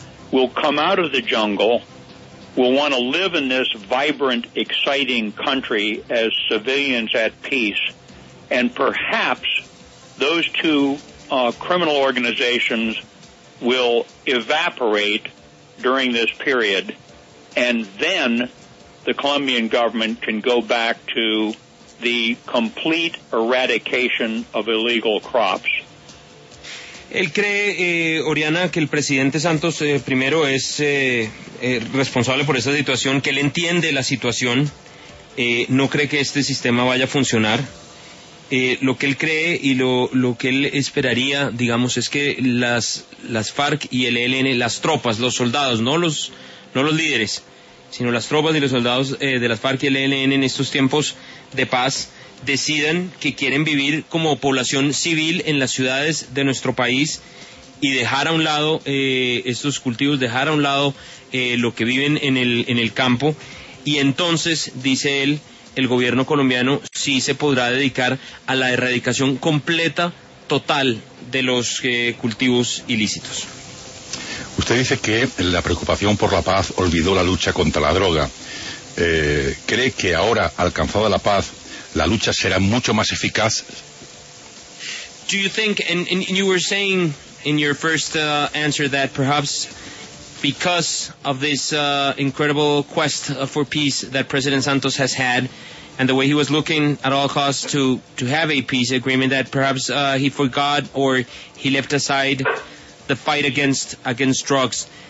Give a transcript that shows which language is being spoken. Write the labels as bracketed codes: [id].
[en] will come out of the jungle, will want to live in this vibrant, exciting country as civilians at peace, and perhaps those two criminal organizations will evaporate during this period, and then the Colombian government can go back to the complete eradication of illegal crops. [es] Él cree, Oriana, que el presidente Santos primero es responsable por esta situación, que él entiende la situación, no cree que este sistema vaya a funcionar. Lo que él cree y lo que él esperaría, digamos, es que las FARC y el ELN, las tropas, los soldados, no los líderes, sino las tropas y los soldados de las FARC y el ELN en estos tiempos de paz, decidan que quieren vivir como población civil en las ciudades de nuestro país y dejar a un lado estos cultivos, dejar a un lado lo que viven en el campo. Y entonces, dice él, el gobierno colombiano sí se podrá dedicar a la erradicación completa, total, de los cultivos ilícitos. Usted dice que la preocupación por la paz olvidó la lucha contra la droga. ¿Cree que ahora, alcanzada la paz, la lucha será mucho más eficaz? [en] Do you think, and you were saying in your first answer that perhaps because of this incredible quest for peace that President Santos has had, and the way he was looking at all costs to have a peace agreement, that perhaps he forgot or he left aside the fight against drugs.